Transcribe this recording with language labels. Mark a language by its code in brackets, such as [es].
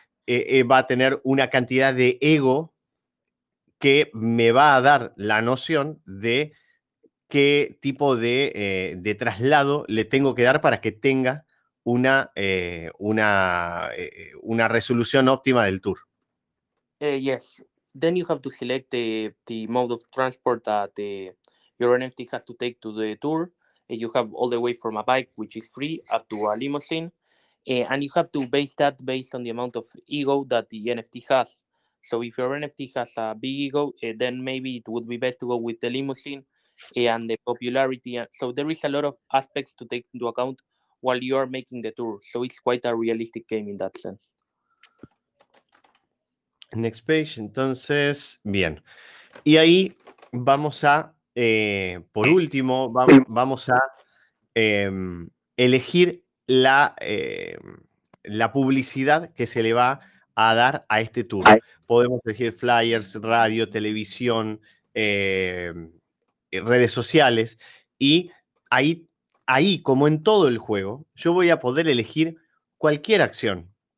[es] Va a tener una cantidad de ego que me va a dar la noción de qué tipo de traslado le tengo que dar para que tenga una resolución óptima del tour. [en] Yes. Then you have to select the mode of transport that your NFT has to take to the tour. You have all the way from a bike, which is free, up to a limousine. And you have to base that based on the amount of ego that the NFT has. So if your NFT has a big ego, then maybe it would be best to go with the limousine and the popularity. So there is a lot of aspects to take into account while you are making the tour. So it's quite a realistic game in that sense. Next page, [es] entonces, bien. Y ahí vamos a, por último, vamos a elegir la, la publicidad que se le va a dar a este tour. Podemos elegir flyers, radio, televisión, redes sociales, y ahí, ahí, como en todo el juego, yo voy a poder elegir cualquier acción,